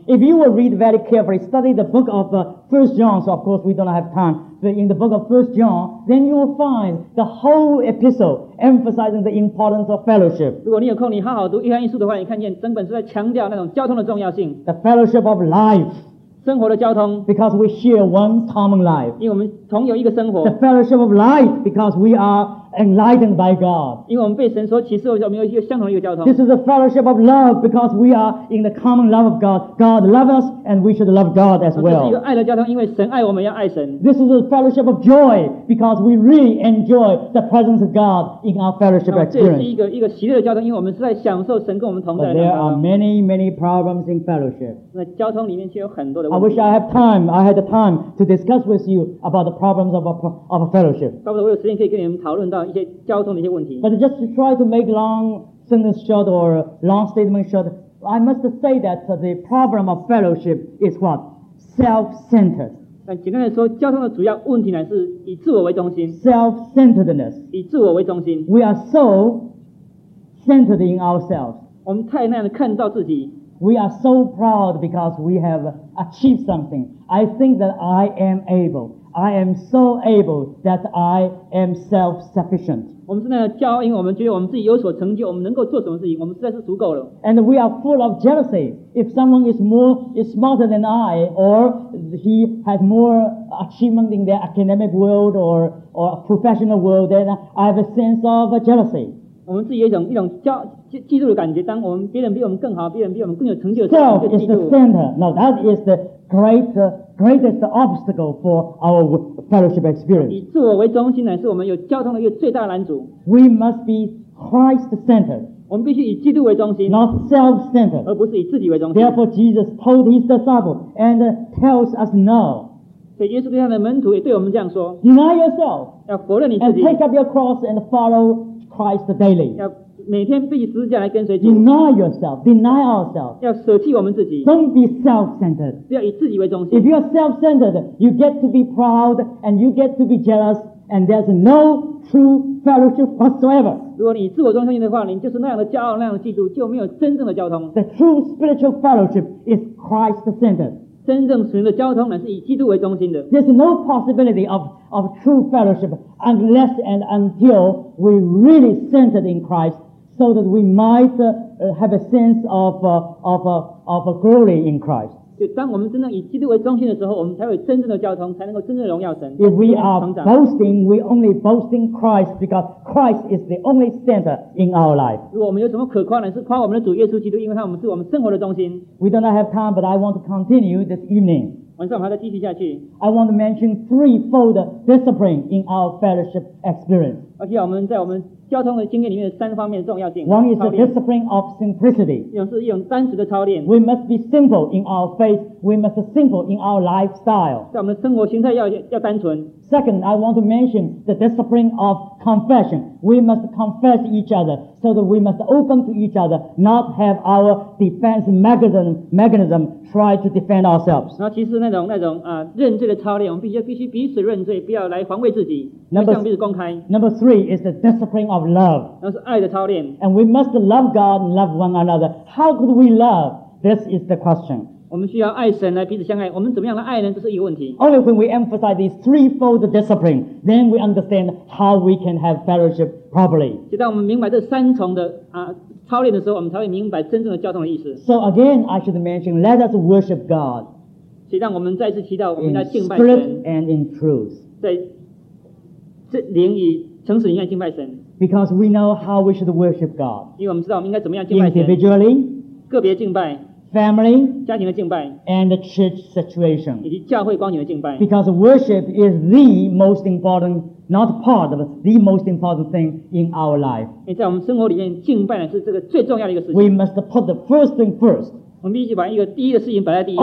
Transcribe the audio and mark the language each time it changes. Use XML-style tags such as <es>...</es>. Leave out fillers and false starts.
<en>If you will read very carefully, study the book of First John. So of course we do not have time. But in the book of First John, then you will find the whole epistle emphasizing the importance of fellowship.</en> <zh>如果你有空，你好好读约翰一书的话，你看见整本是在强调那种交通的重要性。</zh> <en>The fellowship of life.</en> <zh>生活的交通</zh> <en>because we share one common life.</en> <zh>因为我们同有一个生活</zh> <en>the fellowship of life because we are enlightened by God.</en> <zh>因为我们被神所启示，我们有一个相同的一个交通</zh> <en>this is the fellowship of love because we are in the common love of God. God loves us and we should love God as well.</en> <zh>这是一个爱的交通，因为神爱我们，要爱神</zh> <en>this is the fellowship of joy because we really enjoy the presence of God in our fellowship experience.</en> <zh>这是一个喜乐的交通，因为我们是在享受神跟我们同在的</zh> <en>but there are many, many problems in fellowship.</en> <zh>那交通里面却有很多</zh> <en>I wish I had the time to discuss with you about the problems of a fellowship.</en> <zh>差不多我有时间可以跟你们讨论到一些交通的一些问题。</zh> <en>But just to try to make long sentence short or long statement short, I must say that the problem of fellowship is what? Self-centered.</en> <zh>那简单的说，交通的主要问题呢是以自我为中心。</zh> <en>Self-centeredness.</en> <zh>以自我为中心。</zh> <en>We are so centered in ourselves.</en> <zh>我们太那样的看到自己。</zh> <en>We are so proud because we have achieved something. I think that I am able. I am so able that I am self-sufficient.</en> <zh>我们是那个骄傲，因为我们觉得我们自己有所成就，我们能够做什么事情，我们实在是足够了。</zh> <en>And we are full of jealousy. If someone is smarter than I, or he has more achievement in the academic world or professional world, then I have a sense of jealousy.</en> <zh>我们自己有一种骄嫉妒的感觉。当我们别人比我们更好，别人比我们更有成就的时候，就嫉妒。</zh> <en>Self is the center. No, that is the greatest obstacle for our fellowship experience.</en> <zh>以自我为中心呢，是我们有交通的一个最大拦阻。</zh> <en>We must be Christ-centered.</en> <zh>我们必须以基督为中心</zh> <en>，not self-centered.</en> <zh>而不是以自己为中心。</zh> <en>Therefore, Jesus told his disciples and tells us now.</en> <zh>所以耶稣对他的门徒也对我们这样说</zh> <en>：Deny yourself.</en> <zh>要否认你自己。</zh> <en>And take up your cross and follow. Christ daily.</en> <zh>要每天背起十字架来跟随基督。</zh> <en>Deny yourself, deny ourselves.</en> <zh>要舍弃我们自己。</zh> <en>Don't be self-centered.</en> <zh>不要以自己为中心。</zh> <en>If you are self-centered, you get to be proud and you get to be jealous, and there's no true fellowship whatsoever.</en> <zh>如果你自我中心的话，你就是那样的骄傲，那样的嫉妒，就没有真正的交通。</zh> <en>The true spiritual fellowship is Christ-centered.</en> <zh>真正属灵的交通乃是以基督为中心的。</zh> <en>There's no possibility of true fellowship unless and until we really centered in Christ, so that we might have a sense of a glory in Christ.</en> <zh>就当我们真正以基督为中心的时候，我们才会真正的交通，才能够真正的荣耀神。</zh> <en>If we are boasting, we only boast in Christ because Christ is the only center in our life.</en> <zh>如果我们有什么可夸呢？是夸我们的主耶稣基督，因为他是我们生活的中心。</zh> <en>We do not have time, but I want to continue this evening.</en> <zh>晚上我们还要继续下去。</zh> <en>I want to mention threefold discipline in our fellowship experience.</en> <zh>而且我们在我们交通的经验里面三方面的重要性。</zh> <en>One is the discipline of simplicity.</en> <zh>一种是一种单纯的操练。</zh> <en>We must be simple in our faith. We must be simple in our lifestyle.</en> <zh>在我们的生活形态要单纯。</zh> <en>Second, I want to mention the discipline of confession. We must confess each other so that we must open to each other, not have our defense mechanism try to defend ourselves.</en> <zh>然后其实那种认罪的操练，我们必须彼此认罪，不要来防卫自己，向彼此公开。</zh> <en>Number three is the discipline of love.</en> <zh>那是爱的操练。</zh> <en>And we must love God and love one another. How could we love? This is the question.</en> <zh>我们需要爱神来彼此相爱，我们怎么样来爱人，这是一个问题。</zh> <en>Only when we emphasize these threefold discipline, then we understand how we can have fellowship properly.</en> <zh>就当我们明白这三重的操练的时候，我们才会明白真正的教堂的意思。</zh> <en>So again, I should mention, let us worship God.</en> <zh>所以让我们再次提到，我们来敬拜</zh> <en>神。In spirit and in truth.</en> <zh>在这灵与诚实里面敬拜神。</zh> <en>Because we know how we should worship God.</en> <zh>因为我们知道我们应该怎么样敬拜神。</zh> <en>Individually.</en> <zh>个别敬拜。</zh> <en>Family,</en> <zh>家庭的敬拜,</zh> <en>and the church situation,</en> <zh>以及教会光景的敬拜,</zh> <en>because worship is the most important, not part of the most important thing in our life.</en> <zh>在我们生活里面敬拜是这个最重要的一个事情。</zh> <en>We must put the first thing first.</en> <zh>我们必须把一个第一的事情摆在第一位。</zh>